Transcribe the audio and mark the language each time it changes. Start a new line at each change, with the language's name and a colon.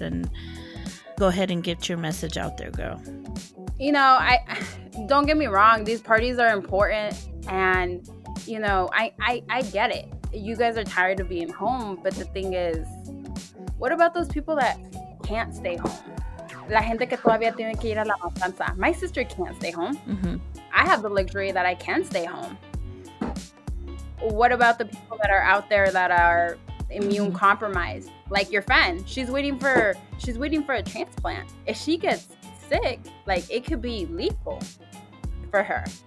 English: And go ahead and get your message out there, girl. You know, I don't get me wrong. These parties are important. And, you know, I get it. You guys are tired of being home. But the thing is, what about those people that can't stay home?
Spanish: La gente que todavía tiene que ir a la matanza.
English: My sister can't stay home. Mm-hmm. I have the luxury that I can stay home. What about the people that are out there that are immune compromised? Like your friend. She's waiting for a transplant. If she gets sick, like, it could be lethal for her.